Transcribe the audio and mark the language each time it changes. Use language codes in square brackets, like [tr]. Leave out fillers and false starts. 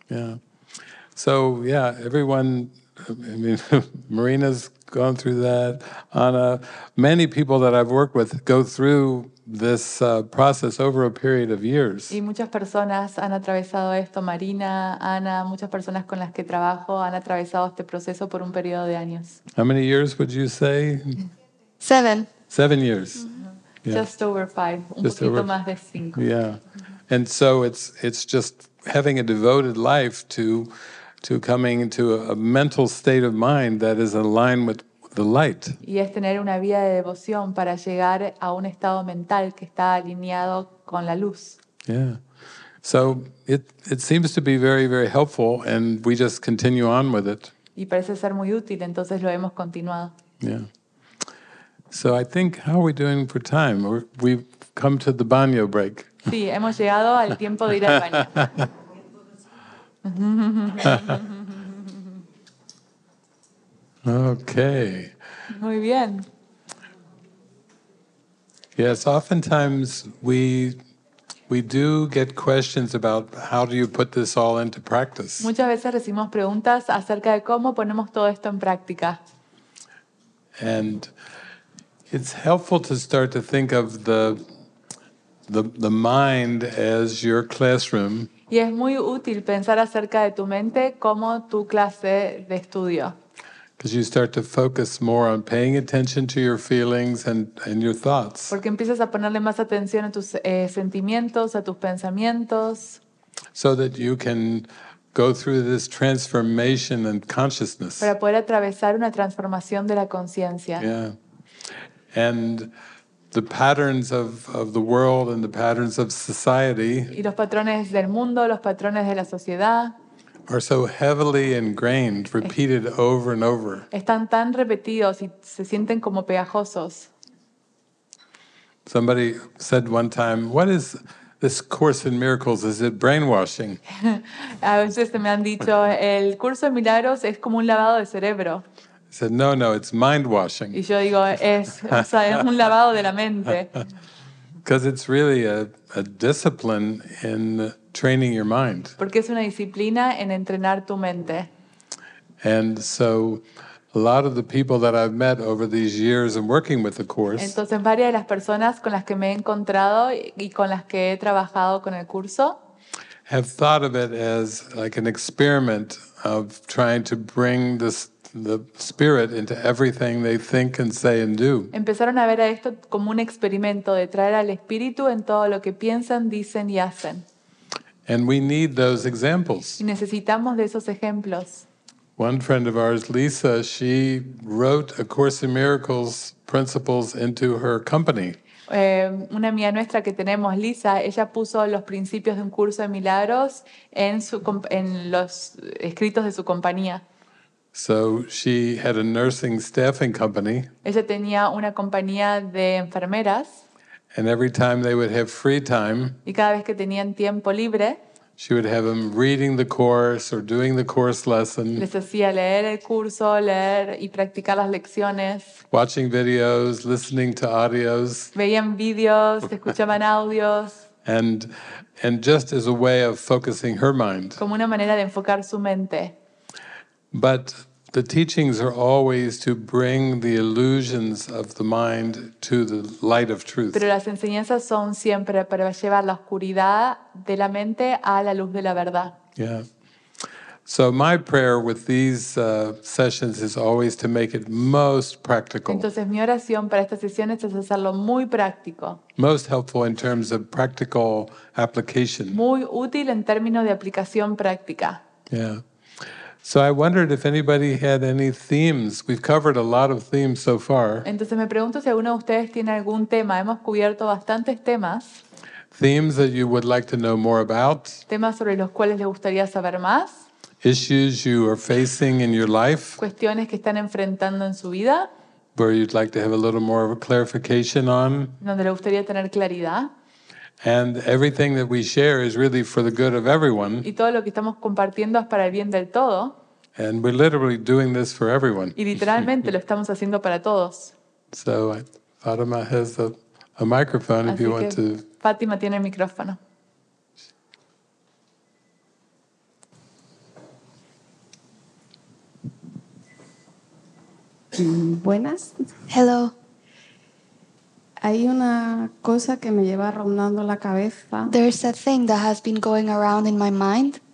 [en] Yeah. So, yeah, everyone, I mean, Marina's gone through that. Anna, many people that I've worked with go through this process over a period of years. [es] Y muchas personas han atravesado esto. Marina, Ana, muchas personas con las que trabajo han atravesado este proceso por un periodo de años. [en] How many years would you say? Seven. 7 years. Mm-hmm. Yeah. Just over five. Just [es] un poquito [en] over, [es] más de cinco. [en] Yeah. Mm-hmm. And so it's just having a devoted life to coming into a mental state of mind that is aligned with the light. [es] Y es tener una vía de devoción para llegar a un estado mental que está alineado con la luz. [en] Yeah. So it seems to be very, very helpful, and we just continue on with it. [es] Y parece ser muy útil, entonces lo hemos continuado. [en] Yeah. So I think, how are we doing for time? We've come to the baño break. [es] Sí, hemos llegado al tiempo de ir al baño. [en] Okay. [es] Muy bien. [en] Yes, oftentimes we do get questions about how do you put this all into practice. [es] Muchas veces recibimos preguntas acerca de cómo ponemos todo esto en práctica. [en] And it's helpful to start to think of the mind as your classroom. [es] Y es muy útil pensar acerca de tu mente como tu clase de estudio. [en] Because you start to focus more on paying attention to your feelings and your thoughts. [es] Porque empiezas a ponerle más atención a tus sentimientos, a tus pensamientos. [en] So that you can go through this transformation and consciousness. [es] Para poder atravesar una transformación de la conciencia. [en] Yeah. And the patterns of the world and the patterns of society. [es] Y los patrones del mundo, los patrones de la sociedad. [en] Are so heavily ingrained, repeated over and over. [es] Están tan repetidos y se sienten como pegajosos. [en] Somebody said one time, "What is this Course in Miracles? Is it brainwashing?" [es] A veces me han dicho, "El curso de milagros es como un lavado de cerebro." [en] said, no, no, it's mind washing. [es] Y yo digo, es, o sea, es un lavado de la mente. [en] Because it's really a discipline in training your mind. [es] Porque es una disciplina en entrenar tu mente. [en] And so a lot of the people that I've met over these years and working with the course. [es] Entonces varias de las personas con las que me he encontrado y con las que he trabajado con el curso [en] have thought of it as like an experiment of trying to bring the spirit into everything they think and say and do. [es] Empezaron a ver a esto como un experimento de traer al espíritu en todo lo que piensan, dicen y hacen. [en] And we need those examples. [es] Y necesitamos de esos ejemplos. [en] One friend of ours, Lisa, she wrote A Course in Miracles principles into her company. [es] Una amiga nuestra que tenemos, Lisa, ella puso los principios de un curso de milagros en los escritos de su compañía. [en] So she had a nursing staffing company. [es] Ella tenía una compañía de enfermeras. [en] And every time they would have free time. [es] Y cada vez que tenían tiempo libre. [en] She would have them reading the course or doing the course lesson. [es] Les hacía leer el curso, leer y practicar las lecciones. [en] Watching videos, listening to audios. [es] Veían videos, escuchaban audios. [en] And just as a way of focusing her mind. [es] Como una manera de enfocar su mente. [en] But the teachings are always to bring the illusions of the mind to the light of truth. [es] Pero las enseñanzas son siempre para llevar la oscuridad de la mente a la luz de la verdad. [en] Yeah. So my prayer with these sessions is always to make it most practical. [es] Entonces mi oración para estas sesiones es hacerlo muy práctico. [en] Most helpful in terms of practical application. [es] Muy útil en términos de aplicación práctica. [en] Yeah. So I wondered if anybody had any themes. We've covered a lot of themes so far. [es] Entonces me pregunto si alguno de ustedes tiene algún tema. Hemos cubierto bastantes temas. [en] Themes that you would like to know more about. [es] Temas sobre los cuales les gustaría saber más. [en] Issues you are facing in your life. [es] Cuestiones que están enfrentando en su vida. [en] Where you'd like to have a little more of a clarification on. [es] Donde le gustaría tener claridad. [en] And everything that we share is really for the good of everyone. [es] Y todo lo que estamos compartiendo es para el bien del todo. [en] And we're literally doing this for everyone. [es] Y literalmente lo estamos haciendo para todos. [en] So Fatima has a microphone. [es] Así [en] if you want to. [es] Fátima tiene el micrófono. Buenas. [en] Hello. [es] Hay una cosa que me lleva rondando la cabeza. [en] There's a thing that has been going around in my mind.